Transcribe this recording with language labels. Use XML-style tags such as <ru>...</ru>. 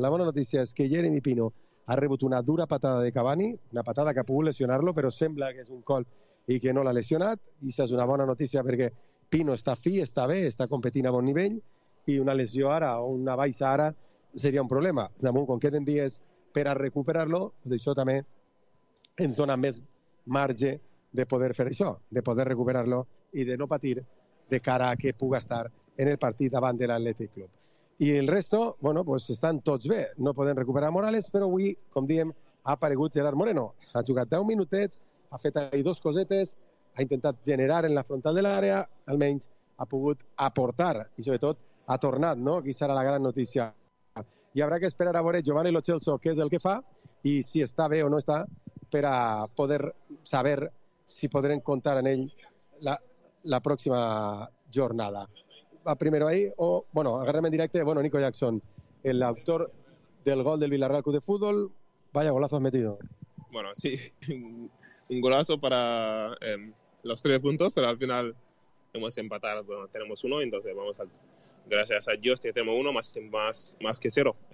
<ca>La bona notícia és que Jeremy Pino ha rebut una dura patada de Cavani, una patada que ha pogut lesionar-lo, però sembla que és un colp i que no l'ha lesionat, i això és una bona notícia perquè Pino està fi, està bé, està competint a bon nivell, i una lesió ara o una baixa ara seria un problema. Damunt, com queden dies per a recuperar-lo, doncs això també ens dona més marge de poder fer això, de poder recuperar-lo i de no patir de cara a que puga estar en el partit davant de l'Atlètic Club. I el resto, bueno, pues estan tots bé. No podem recuperar Morales, però avui, com diem, ha aparegut Gerard Moreno. Ha jugat 10 minutets, ha fet ahí dos cosetes, ha intentat generar en la frontal de l'àrea, almenys ha pogut aportar i, sobretot, ha tornat, no? Aquí serà la gran notícia. I haurà que esperar a veure Giovanni Lo Celso què és el que fa i si està bé o no està per a poder saber si podrem comptar en ell la pròxima jornada.</ca> <es>Va primero ahí, o bueno, agárrame en directo. Bueno, Nico Jackson, el autor del gol del Villarreal Club de Fútbol. Vaya golazo has metido. Bueno, sí, un golazo para los tres puntos, pero al final hemos empatado. Bueno, tenemos uno, entonces vamos al. Gracias a Dios, tenemos uno más que cero.</es>